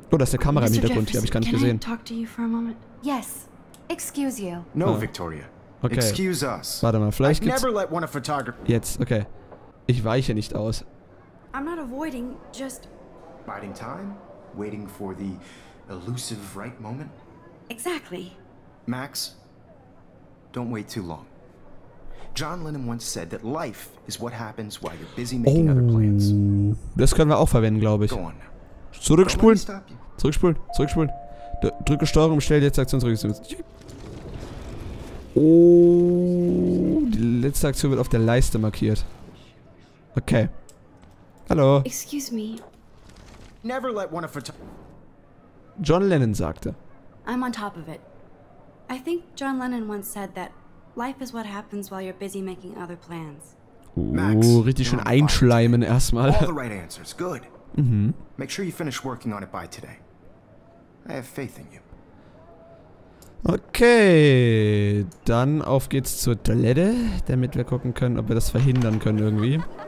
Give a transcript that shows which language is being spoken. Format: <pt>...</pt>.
<de>Oh, da ist eine Kamera im Hintergrund, die habe ich gar nicht gesehen.</de> <en>Yes. Excuse you. No, Victoria. Okay. Excuse us.</en> <de>Warte mal, vielleicht gibt's jetzt, okay. Ich weiche nicht aus.</de> <en>I'm not avoiding, just biding time, waiting for the elusive right moment. Exactly. Max, don't wait too long. John Lennon once said that life is what happens while you're busy making other plans.</en> <de>Das können wir auch verwenden, glaube ich. Zurückspulen. Zurückspulen. Drücke Steuerung, stell jetzt Aktion zurück. Oh, die letzte Aktion wird auf der Leiste markiert. Okay. Hallo.</de> <en>Excuse me. Never let one of</en> <de>John Lennon sagte.</de> <en>I'm on top of it. I think John Lennon once said that life is what happens while you're busy making other plans.</en> <de>Max, richtig schön einschleimen erstmal.</de> <en>All the right answers, good. Mhm. Make sure you finish working on it by today. I have faith in you.</en> <de>Okay, dann auf geht's zur Toilette, damit wir gucken können, ob wir das verhindern können irgendwie.</de>